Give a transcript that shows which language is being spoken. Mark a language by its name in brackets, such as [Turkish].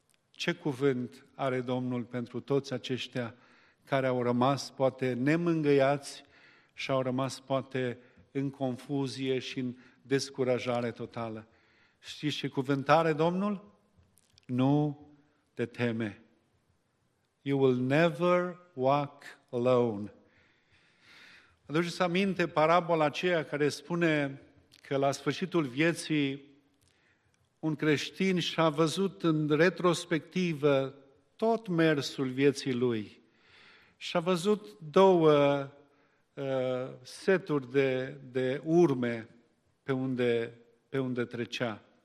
[Romanian] Ce cuvânt are Domnul pentru toți aceștia care au rămas poate nemângâiați și au rămas poate în confuzie și în descurajare totală? Știți ce cuvânt are Domnul? Nu te teme. [English] You will never walk alone. [Romanian] Aduceți aminte parabola aceea care spune că la sfârșitul vieții un creștin și-a văzut în retrospectivă tot mersul vieții lui. Și-a văzut două seturi de urme pe unde trecea.